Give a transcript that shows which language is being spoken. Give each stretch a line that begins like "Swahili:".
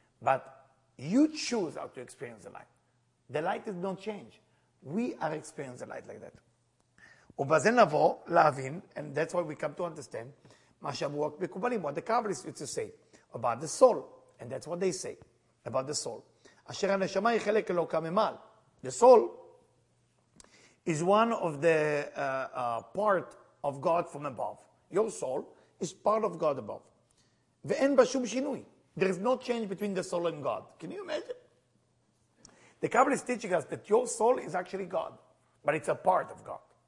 English: But you choose how to experience the light. The light is don't change. We are experiencing the light like that.
Hebrew: ובזה נבוא להבין,
English: and that's why we come to understand,
Hebrew: מה שאמרו המקובלים,
English: what the Kabbalists used to say, about the soul, and that's what they say, about the soul.
Hebrew: אשר הנשמה היא חלק אלוקה ממעל.
English: The soul is one of the part of God from above. Your soul is part of God above.
Hebrew: ואין בה שום שינוי.
English: There is no change between the soul and God. Can you imagine? The Kabbalists is teaching us that your soul is actually God, but it's a part of God.